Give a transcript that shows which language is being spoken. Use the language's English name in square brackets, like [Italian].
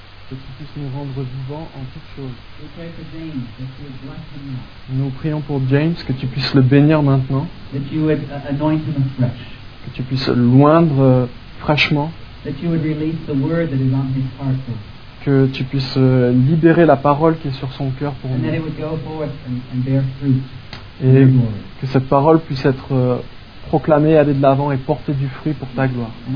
[French] que tu puisses nous rendre vivants en toutes choses. [English] We pray for James, that you would bless him now. [French] Nous prions pour James, que tu puisses le bénir maintenant. [English] That you would anoint him afresh. [French] Que tu puisses l'oindre fraîchement. [English] That you would release the word that is on his heart. [French] Que tu puisses libérer la parole qui est sur son cœur pour [English] and [French] nous. [English] That it would go forth and bear fruit. [French] Et que cette parole puisse être proclamée, aller de l'avant et porter du fruit pour ta gloire.